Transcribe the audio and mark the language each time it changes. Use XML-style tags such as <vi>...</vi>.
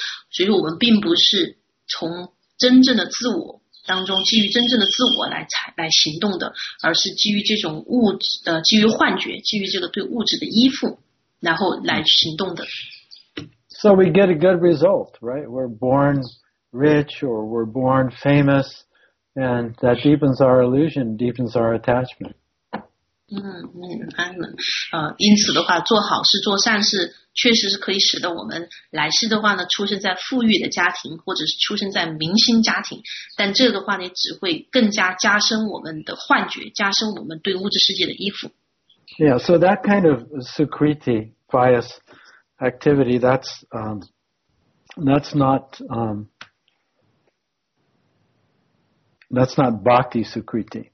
<zh>所以我们并不是从真正的自我当中基于真正的自我来行动的，而是基于这种物质的基于幻觉，基于这个对物质的依附，然后来行动的。</zh> <en>So we get a good result, right? We're born rich or we're born famous, and that deepens our illusion, deepens our attachment.</en> <zh>因此的话，做好事做善事确实是可以使得我们来世的话呢，出生在富裕的家庭，或者是出生在明星家庭，但这个话呢，只会更加加深我们的幻觉，加深我们对物质世界的依附。</zh> <en>Yeah, so that kind of sukriti pious activity, that's not bhakti sukriti.</en>